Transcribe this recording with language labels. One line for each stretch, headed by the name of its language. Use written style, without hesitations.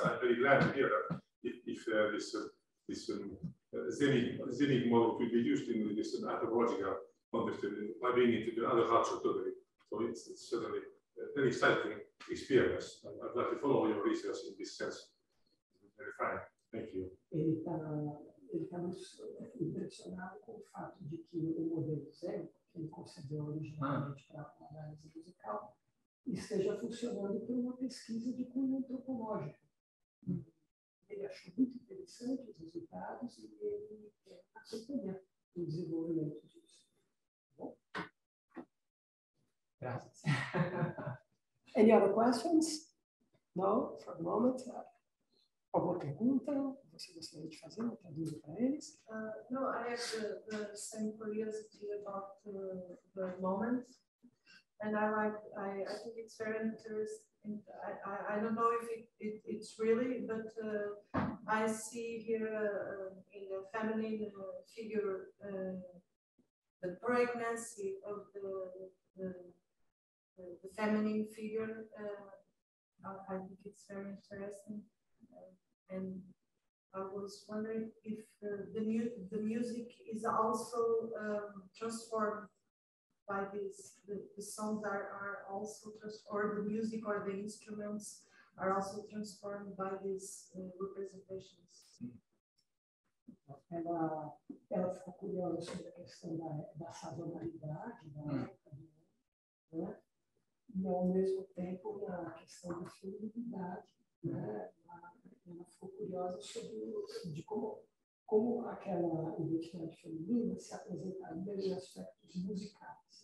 English: I'm very glad to hear that if this Zenig model could be used in this anthropological context by being into the other culture today. So it's certainly very exciting experience. I'd like to follow your research in this sense. Very fine. Thank you.
Portuguese: Ele está impressionado com o fato de que o modelo zero, que ele concedeu originalmente para a análise musical, esteja funcionando por uma pesquisa de cunho antropológico. Ele achou muito interessante os resultados e ele quer acompanhar o desenvolvimento disso. Tá bom? Graças.
English: Any other questions? No, for the moment.
Portuguese: Alguma pergunta? Você gostaria de fazer uma pergunta para eles?
English: No, I have the same curiosity about the moment. And I think it's very interesting. I don't know if it's really, but I see here in a feminine figure the pregnancy of the feminine figure. I think it's very interesting. And I was wondering if the music is also transformed by this. The songs are also transformed, or the music or the instruments are also transformed by these representations.
Portuguese: Ela ficou curiosa sobre a questão da sazonalidade, né? E ao mesmo tempo na questão da feminilidade, né? Ela ficou curiosa sobre como aquela identidade feminina se apresentaria em aspectos musicais.